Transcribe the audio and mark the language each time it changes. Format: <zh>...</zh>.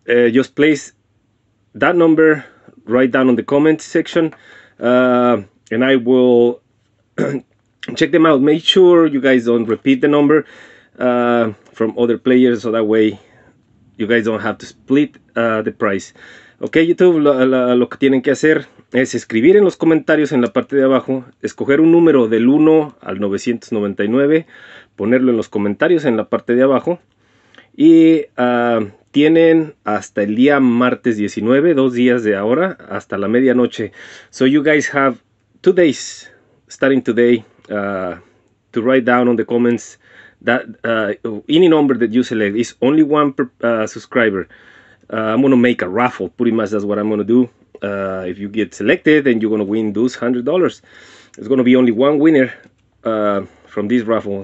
<en>Just place that number right down on the comments section, and I will check them out. Make sure you guys don't repeat the number from other players, so that way you guys don't have to split the price.</en> <es>Ok YouTube, lo que tienen que hacer es escribir en los comentarios en la parte de abajo, escoger un número del 1 al 999, ponerlo en los comentarios en la parte de abajo, y tienen hasta el día martes 19, dos días de ahora, hasta la medianoche.</es> <en>So you guys have 2 days starting today to write down on the comments that any number that you select. Is only one per subscriber. I'm gonna make a raffle, pretty much that's what I'm gonna do. If you get selected, then you're gonna win those $100. There's gonna be only one winner from this raffle.</en>